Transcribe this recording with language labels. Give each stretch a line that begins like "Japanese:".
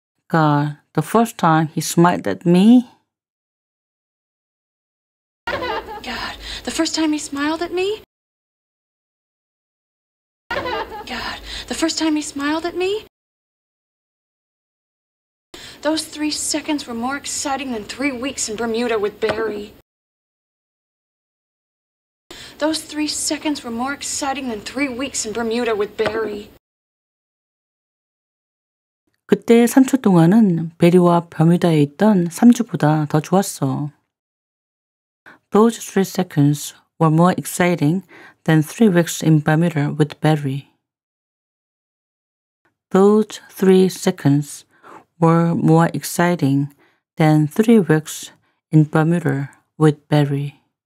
English: God, the first time he smiled at me? God, the first time he smiled at me? God, the first time he smiled at me? Those 3 seconds were more exciting than 3 weeks in Bermuda with Barry. Those 3 seconds were more exciting than 3 weeks in Bermuda with Barry.
Korean: 그때 3초 동안은 베리와 버뮤다에 있던 3주보다 더 좋았어.
English: Those 3 seconds were more exciting than 3 weeks in Bermuda with Barry. Those 3 seconds were more exciting than 3 weeks in Bermuda with Barry.